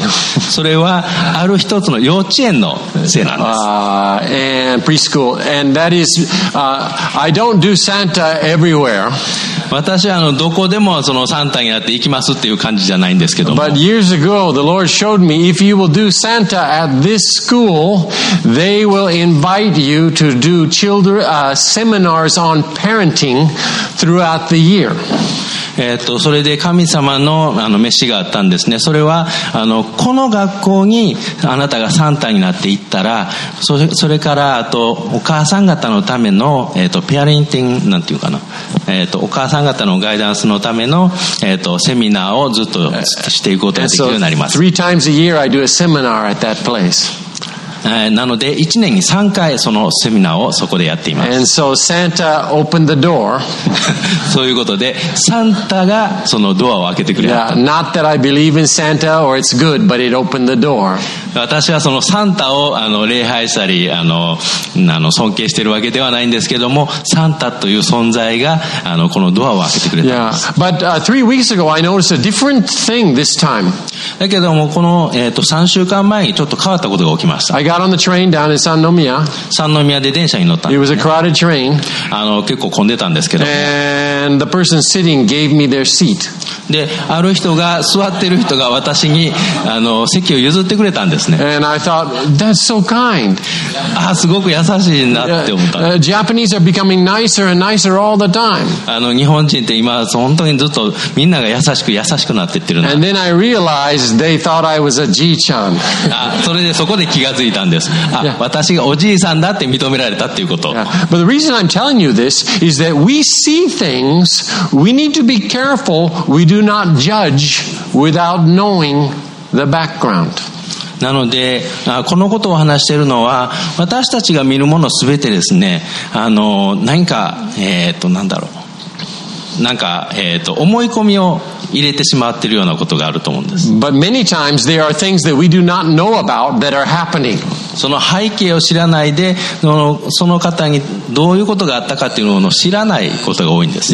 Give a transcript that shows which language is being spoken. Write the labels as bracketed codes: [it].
[ja] それはある一つの幼稚園のせいなんです。 [en] And preschool. And that is, I don't do Santa everywhere. [ja] 私はどこでもそのサンタになって行きますっていう感じじゃないんですけども [en] But years ago, the Lord showed me if you will do Santa at this school, they will invite you to do children, seminars on parenting throughout the year. [ja] それで神様の召しがあったんですね。それはこの学校にあなたがサンタになって行ったら、それからあとお母さん方のためのペアレンティングなんていうかな。お母さん方のガイダンスのためのセミナーをずっとしていくことができるようになります。 [en] Three times a year I do a seminar at that place. [ja] なので1年に3回そのセミナーをそこでやっています。 [en] And so Santa opened the door. [ja] そういうことでサンタがそのドアを開けてくれた。 [en] Yeah, not that I believe in Santa or it's good, but it opened the door. [ja] 私はそのサンタを礼拝したり尊敬しているわけではないんですけども、サンタという存在がこのドアを開けてくれたんです。 Yeah. [en] But, 3 weeks ago, I noticed a different thing this time. [ja] だけどもこの、3週間前にちょっと変わったことが起きました。 [en] I got on the train down in 三宮。 [ja] 三宮で電車に乗ったんです、ね、 [en] It was a crowded train. [ja] 結構混んでたんですけども [en] 、 And the person sitting gave me their seat. [ja] で、ある人が座ってる人が私に席を譲ってくれたんです。 [en] And I thought, that's so kind. [ja] あ、すごく優しいなって思った。 [en] Japanese are becoming nicer and nicer all the time. [ja] 日本人って今本当にずっとみんなが優しくなってってるな。 [en] And then I realized they thought I was a G-chan. [ja] それでそこで気がついたんです。あ、yeah. 私がおじいさんだって認められたっていうこと。 Yeah. [en] But the reason I'm telling you this is that we see things, we need to be careful, we do not judge without knowing the background. [ja] なのでこのことを話しているのは、私たちが見るものすべてですね、何か、何だろう、何か、思い込みを入れてしまっているようなことがあると思うんです。 [en] But many times there are things that we do not know about that are happening. [ja] その背景を知らないで、その方にどういうことがあったかというのを知らないことが多いんです。